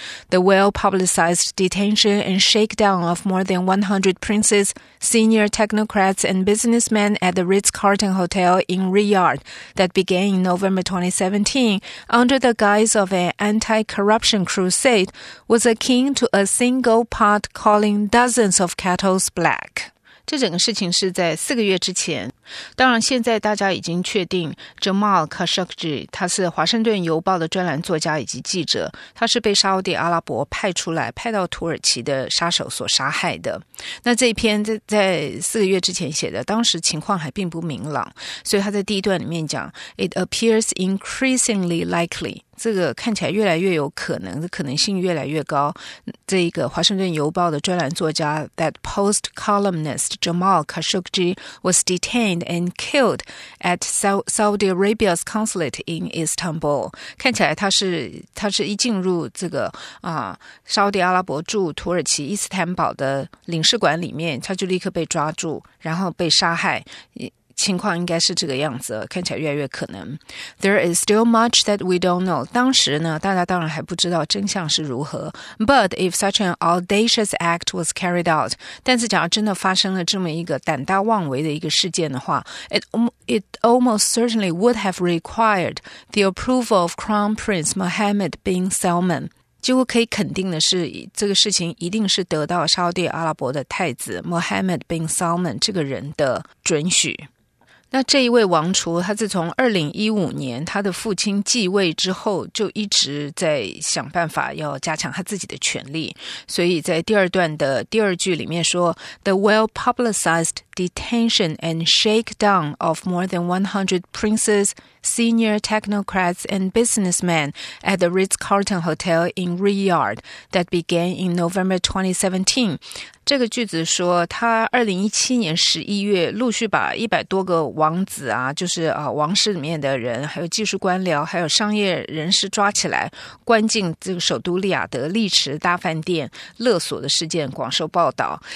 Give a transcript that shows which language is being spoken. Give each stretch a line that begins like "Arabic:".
English: The well-publicized detention and shakedown of more than 100 princes, senior technocrats, and businessmen at the Ritz-Carlton Hotel in Riyadh that began in November 2017 under the guise of an anti-corruption crusade was akin to a single pot calling dozens of kettles black.
Chinese: 这整个事情是在四个月之前，当然现在大家已经确定 Jamal Khashoggi 他是华盛顿邮报的专栏作家以及记者，他是被沙特阿拉伯派到土耳其的杀手所杀害的。那这一篇在四个月之前写的，当时情况还并不明朗，所以他在第一段里面讲
English: It appears increasingly likely，
Chinese: 这个看起来越来越有可能，可能性越来越高。这一个华盛顿邮报的专栏作家
English: That post columnist Jamal Khashoggi was detained and killed at Saudi Arabia's consulate in Istanbul.
Chinese: 看起来他是一进入这个沙特阿拉伯驻土耳其伊斯坦堡的领事馆里面，他就立刻被抓住，然后被杀害。情况应该是这个样子，看起来越来越可能。
English: There is still much that we don't know.
Chinese: 当时呢，大家当然还不知道真相是如何。
English: But if such an audacious act was carried out,
Chinese: 但是假如真的发生了这么一个胆大妄为的一个事件的话
English: it almost certainly would have required the approval of Crown Prince Mohammed bin Salman.
Chinese: 几乎可以肯定的是这个事情一定是得到沙特阿拉伯的太子 Mohammed bin Salman 这个人的准许。那这一位王厨，他自从2015年他的父亲继位之后，就一直在想办法要加强他自己的权力。所以在第二段的第二句里面说
English: The well-publicized detention and shakedown of more than 100 princes, senior technocrats and businessmen at the Ritz-Carlton Hotel in Riyadh that began in November 2017.
Chinese: 这个句子说他2017年11月陆续把100多个王子啊，就是啊王室里面的人，还有技术官僚，还有商业人士抓起来，关进这个首都利雅得丽池大饭店勒索的事件广受报道。